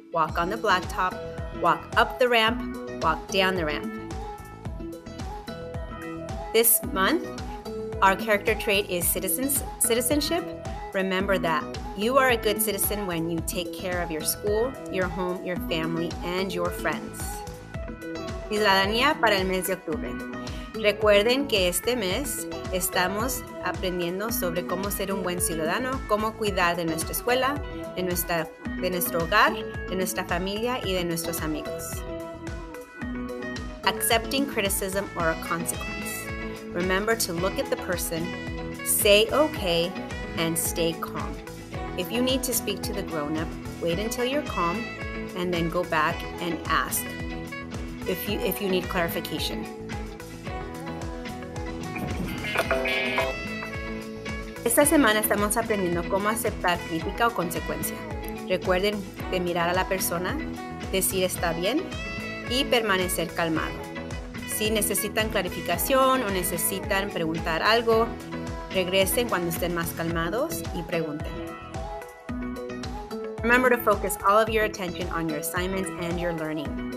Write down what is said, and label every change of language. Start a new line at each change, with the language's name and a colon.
English: Walk on the blacktop, walk up the ramp, walk down the ramp. This month, our character trait is citizenship. Remember that you are a good citizen when you take care of your school, your home, your family, and your friends.
Spanish: Ciudadanía para el mes de octubre. Recuerden que este mes estamos aprendiendo sobre cómo ser un buen ciudadano, cómo cuidar de nuestra escuela, de nuestro hogar, de nuestra familia y de nuestros amigos.
English: Accepting criticism or a consequence. Remember to look at the person, say okay, and stay calm. If you need to speak to the grown-up, wait until you're calm and then go back and ask if you need clarification.
Spanish: Esta semana estamos aprendiendo cómo aceptar crítica o consecuencia. Recuerden de mirar a la persona, decir está bien y permanecer calmado. Si necesitan clarificación o necesitan preguntar algo, regresen cuando estén más calmados y pregunten.
English: Remember to focus all of your attention on your assignments and your learning.